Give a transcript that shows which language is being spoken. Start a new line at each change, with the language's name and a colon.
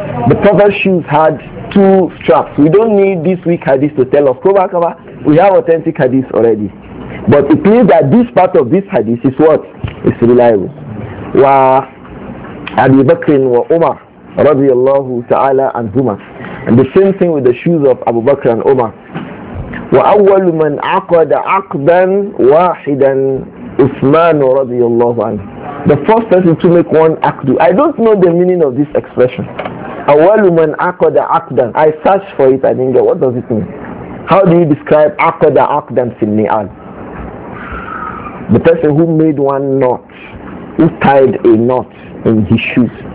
English: The Prophet's shoes had two straps. We don't need this weak hadith to tell us. We have authentic hadith already. But it means that this part of this hadith is what? It's reliable.
Arabic: Wa Abi Bakr wa Umar radiyallahu ta'ala anhumah.
English: And the same thing with the shoes of Abu Bakr and Umar.
Arabic: وأول من عقد عقدا واحدا عثمان رضي الله عنه.
English: The first person to make one عقد. I don't know the meaning of this expression.
Arabic: أول من عقد عقدا.
English: I searched for it. I didn't get. What does it mean? How do you describe
Arabic: عقد عقدا في النعال?
English: The person who made one knot, who tied a knot in his shoes.